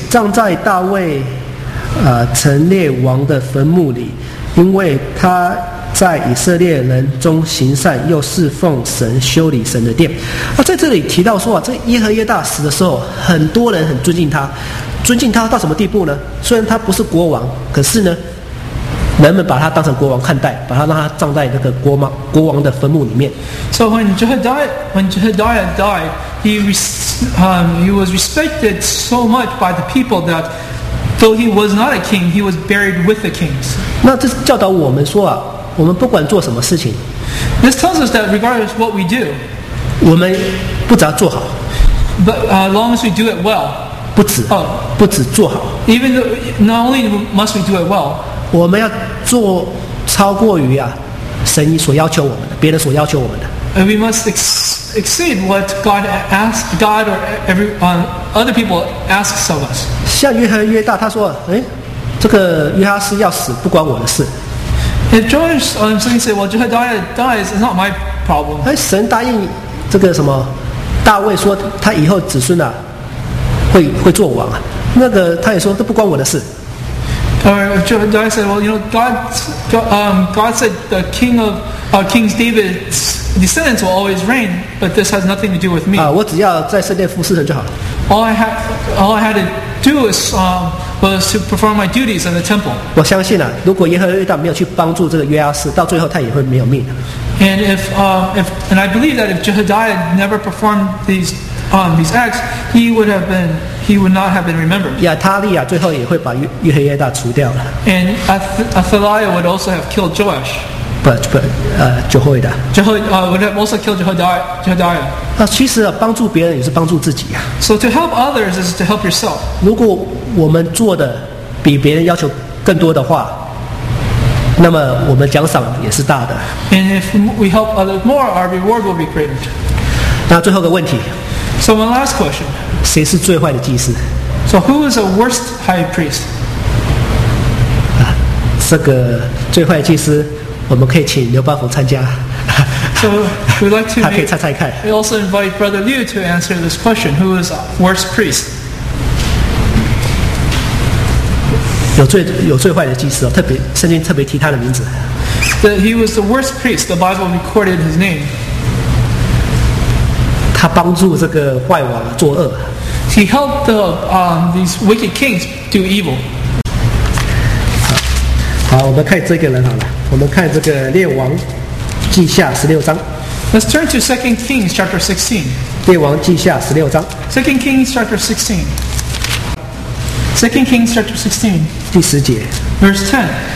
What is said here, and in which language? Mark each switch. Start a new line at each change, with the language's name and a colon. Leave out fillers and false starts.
Chinese: 葬在大卫，陈列王的坟墓里，因为他在以色列人中行善，又侍奉神，修理神的殿。在这里提到说，这耶和耶大死的时候，很多人很尊敬他，尊敬他到什么地步呢？虽然他不是国王，可是呢，人们把他当成国王看待，把他让他葬在那个国王的坟墓里面。
English: So when Jehadiah died, he was respected so much by the people that though he was not a king, he was buried with the kings.
Chinese: 那这教导我们说啊，我们不管做什么事情，
English: This tells us that regardless of what we do,
Chinese: 我们不只要做好，
English: but as long as we do it well,
Chinese: 不只做好，
English: even though, not only must we do it well,
Chinese: 我们要做超过于神所要求我们的，别人所要求我们的，
English: and we must exceed what God or other people asks of us.
Chinese: 像约和约大他说，这个约哈斯要死不关我的事。
English: If George suddenly say, "Well, Jehadiah dies," it's not my problem.
Chinese: 神答应这个什么大卫说，他以后子孙会做王那个他也说这不关我的事。
English: Jehadiah said, "Well, you know, God said the king of King David's descendants will always reign, but this has nothing to do with me."
Chinese: 我只要在圣殿服侍神就好。
English: All I had to do was to perform my duties in the temple.
Chinese: 我相信如果耶和耶大没有去帮助这个约阿斯，到最后他也会没有命。
English: And I believe that if Jehadiah never performed these acts, he would not have been remembered.
Chinese: 亚塔利亚最后也会把耶和耶大除掉了。
English: And Athaliah would also have killed Joash. But Jehoiada. Would have also killed Jehoiada.
Chinese: 其实帮助别人也是帮助自己。
English: So to help others is to help yourself.
Chinese: 如果我们做的比别人要求更多的话，那么我们奖赏也是大的。
English: And if we help others more, our reward will be greater.
Chinese: 那最后个问题。
English: So one last question.
Chinese: 谁是最坏的祭司？
English: So who is the worst high priest?
Chinese: 这个最坏的祭司，我们可以请刘邦福参加。
English: So we'd like to.
Chinese: 他可以猜猜看。
English: We also invite Brother Liu to answer this question. Who is the worst priest?
Chinese: 有最坏的祭司特别圣经特别提他的名字。
English: That he was the worst priest. The Bible recorded his name.
Chinese: 他帮助这个坏王作恶。
English: He helped these wicked kings do evil.
Chinese: 好，我们看这个人好了。我们看这个列王记下十六章。
English: Let's turn to 2 Kings chapter 16.
Chinese: 列王记下十六章。
English: 2 Kings chapter 16. 2 Kings chapter 16.
Chinese: 第十节。
English: Verse 10.